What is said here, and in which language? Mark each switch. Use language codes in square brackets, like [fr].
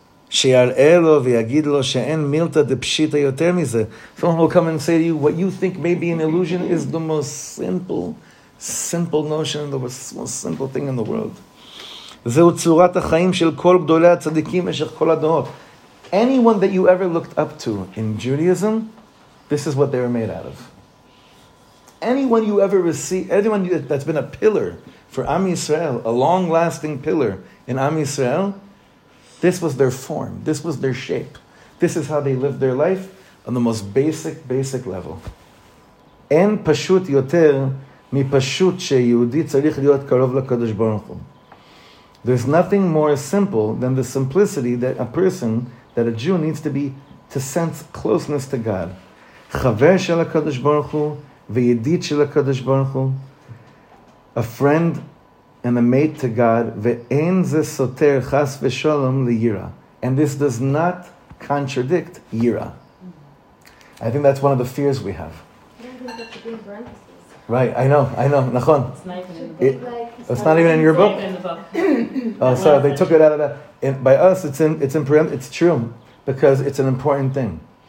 [he] שיראה לו ויגיד לו שאין מילתא דפשיטא יותר מזה. [en] Someone will come and say to you, what you think may be an illusion is the most simple notion, the most simple thing in the world. [he] זהו צורת החיים של כל גדולי הצדיקים משך כל הדורות. [en] Anyone that you ever looked up to in Judaism, this is what they were made out of. Anyone you ever received, anyone that's been a pillar for Am Yisrael, a long-lasting pillar in Am Yisrael, this was their form, this was their shape. This is how they lived their life on the most basic level. [he] אין פשוט יותר מפשוט שיהודי צריך להיות קרוב לקדוש ברוך הוא. [en] There's nothing more simple than the simplicity that a person, that a Jew needs to be, to sense closeness to God. [he] חבר של הקדוש ברוך הוא וידיד של הקדוש ברוך הוא, [en] a friend and a mate to God, [he] ואין זה סותר חס ושלום ליראה. [en] And this does not contradict יראה. I think that's one of the fears we have. I think that's a big parenthesis. Right, I know, nachon. It's not even in your book. Oh, sorry, they took it out of that. By us, it's in parentheses, it's true, because it's an important thing.